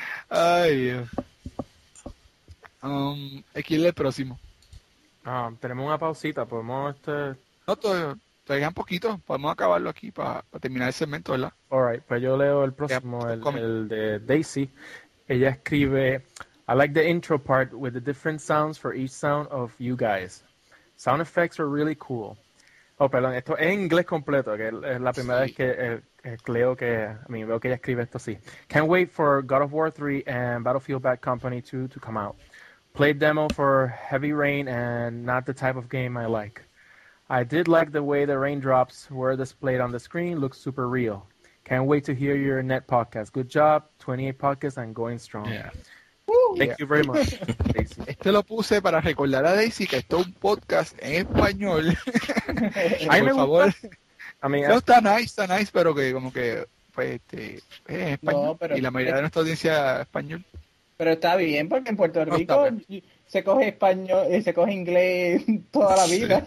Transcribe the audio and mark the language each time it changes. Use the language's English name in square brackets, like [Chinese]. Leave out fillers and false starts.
[Spanish] Ay, Dios. Aquí es el próximo. Tenemos una pausita. Podemos No, te dejan poquito. Podemos acabarlo aquí para terminar el segmento, ¿verdad? [English] All right, [Spanish] pues yo leo el próximo, el de Daisy. Ella escribe, [English] I like the intro part with the different sounds for each sound of you guys. Sound effects are really cool. [Spanish] Oh, perdón, esto es en inglés completo, que es la primera vez que leo que, veo que ella escribe esto así. [English] Can't wait for God of War 3 and Battlefield Bad Company 2 to come out. Played demo for Heavy Rain and not the type of game I like. I did like the way the raindrops were displayed on the screen. Looks super real. Can't wait to hear your net podcast. Good job. 28 podcasts and going strong. Yeah. Woo, thank you very much, Daisy. [Spanish] Este lo puse para recordar a Daisy que esto es un podcast en español. Ay, por favor. No, está nice, pero que como que pues, es español. No, pero, y la mayoría de nuestra audiencia es español. Pero está bien, porque en Puerto Rico se coge español, se coge inglés toda la vida.